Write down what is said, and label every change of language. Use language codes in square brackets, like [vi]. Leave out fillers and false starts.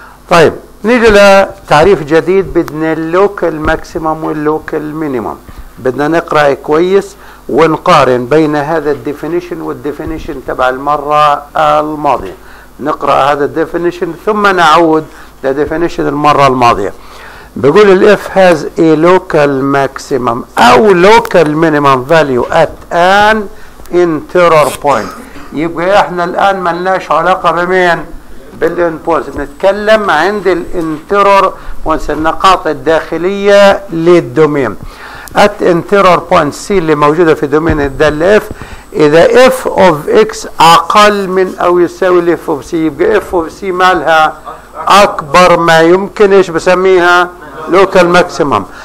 [ar] طيب نيجي لتعريف جديد بدنا local maximum واللocal minimum، بدنا نقرأ كويس ونقارن بين هذا الديفينيشن والديفينيشن تبع المرة الماضية. نقرأ هذا الديفينيشن ثم نعود ديفينيشن المرة الماضية. بيقول الـ [en] F has a local maximum أو local minimum value at an interior point. [ar] يبقى إحنا الآن ما لناش علاقة بمين؟ بالـ end points. نتكلم عند الـ interior points، النقاط الداخلية للدومين. [en] At interior point C [ar] اللي موجودة في دومين الدالة F، إذا F of X أقل من أو يساوي الـ F of C، يبقى F of C مالها؟ أكبر ما يمكن، إيش بسميها؟ local maximum.